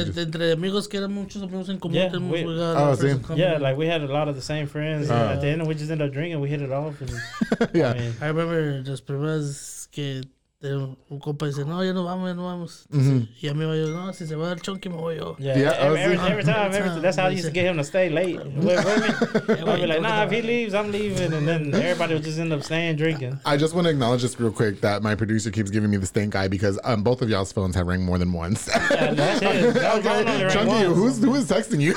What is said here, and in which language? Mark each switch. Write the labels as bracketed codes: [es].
[es] entre amigos que eran muchos amigos en común [en] like we had a lot of the same friends at the end we just ended up drinking we hit it off and, yeah. [es] I remember las primeras que un compa dice no ya no vamos y a mí me dijo no si se va el Chunky me voy yo [en] every time that's how I used to get him to stay late I'd be like nah if he leaves I'm leaving and then everybody would just end up staying drinking. I just want to acknowledge this real quick that my producer keeps giving me the stink eye because both of y'all's phones have rang more than once. Yeah, that's it. Okay. Chunky, who is texting you?